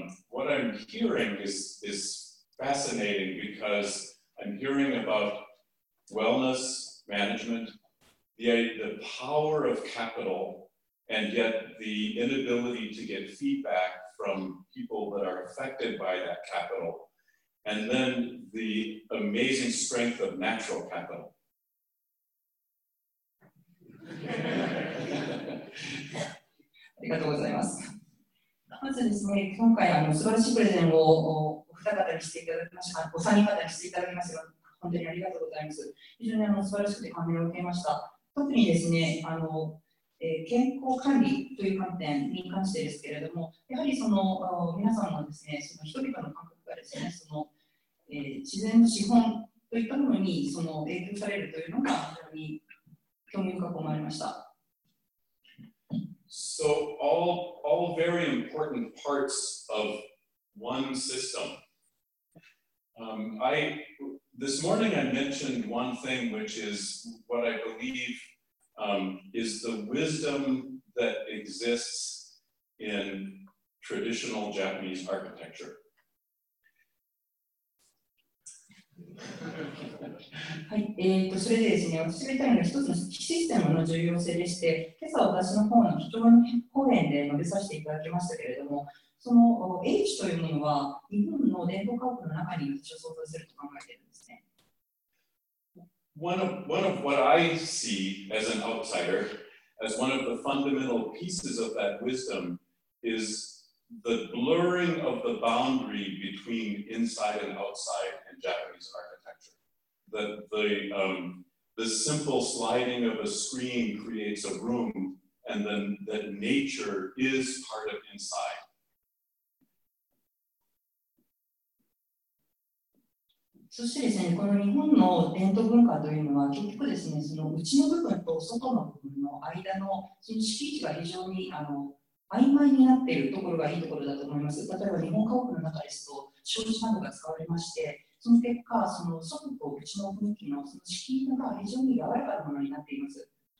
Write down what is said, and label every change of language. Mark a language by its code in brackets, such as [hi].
[en] What I'm hearing is fascinating because I'm hearing about wellness management, the power of capital, and yet the inability to get feedback from people that are affected by that capital, and then the amazing strength of natural capital. [ja] ありがとうございます。まずですね、今回素晴らしいプレゼンをお二方にしていただきました、お三方にしていただきましたが、本当にありがとうございます。非常に素晴らしくて感銘を受けました。特にですね、健康管理という観点に関してですけれども、やはりその皆さんのですね、その人々の感覚がですね、その自然の資本といったものにその影響されるというのが非常に興味深く思われました。 [en] So all very important parts of one system. This morning I mentioned one thing, which is what I believe is the wisdom that exists in traditional Japanese architecture. [ja] はい、それでですね、私が言いたいのが一つのシステムの重要性でして、今朝私の方の基調講演で述べさせていただきましたけれども、その H というものは日本の伝統家屋の中に私は想像すると考えているんですね。 [en] One of what I see as an outsider, as one of the fundamental pieces of that wisdom, is the blurring of the boundary between inside and outside in Japanese architecture. The simple sliding of a screen creates a room, and then that nature is part of inside. [ja] そしてですね、この日本の伝統文化というのは結局ですね、その内の部分と外の部分の間のその敷地が非常に曖昧になっているところがいいところだと思います。例えば日本家屋の中ですと障子などが使われまして、その結果その外と内の雰囲気のその敷地が非常に柔らかなものになっています。